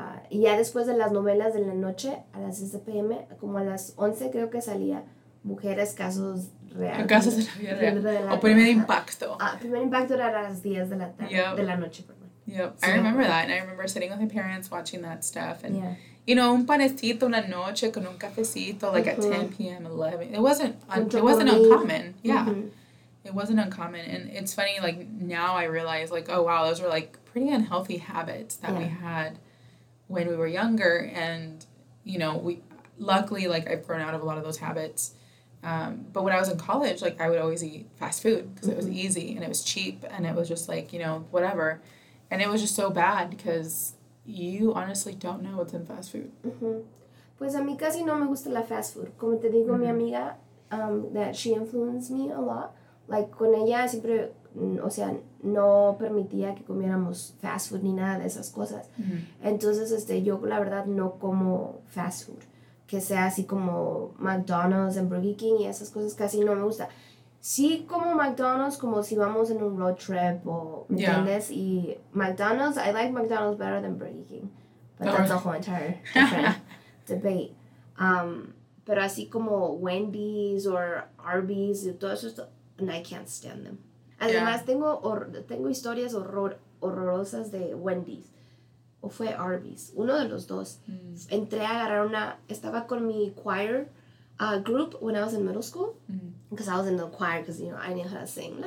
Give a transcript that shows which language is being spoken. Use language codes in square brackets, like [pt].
[es] y ya después de las novelas de la noche, a las 6 p.m., como a las 11 creo que salía Mujeres, Casos Reales. Casos de la vida real. O Primer Impacto. Primer Impacto era a las 10 de la tarde, yep. De la noche, perdón. [en] Yep, [es] sí, [en] I remember that, and I remember sitting with my parents watching that stuff, and, yeah. You know, [es] un panecito una noche con un cafecito, like, mm-hmm. [en] at 10 p.m., 11, it wasn't uncommon, yeah, mm-hmm. It wasn't uncommon, and it's funny, like, now I realize, like, oh, wow, those were, like, pretty unhealthy habits that yeah. we had when we were younger, and, you know, we, luckily, like, I've grown out of a lot of those habits, but when I was in college, like, I would always eat fast food, because mm-hmm. it was easy, and it was cheap, and it was just, like, you know, whatever. And it was just so bad because you honestly don't know what's in fast food. Mm-hmm. [es] Pues a mí casi no me gusta la fast food. Como te digo, mm-hmm. mi amiga, [en] that she influenced me a lot. [es] Like, con ella siempre, o sea, no permitía que comiéramos fast food ni nada de esas cosas. Mm-hmm. Entonces, yo la verdad no como fast food. Que sea así como McDonald's and Burger King y esas cosas casi no me gusta. Sí, como McDonald's, como si vamos en un road trip o, ¿me entiendes? Yeah. [en] Y McDonald's, I like McDonald's better than Burger King. But oh, that's A whole entire different debate. [es] Pero así como [en] Wendy's or Arby's, [es] todo eso, [en] and I can't stand them. Además, yeah. [es] tengo historias horrorosas de Wendy's. O fue Arby's, uno de los dos. Mm. Entré a agarrar una, estaba con mi choir. [en] A group when I was in middle school, because mm-hmm. I was in the choir, because, you know, I knew how to sing.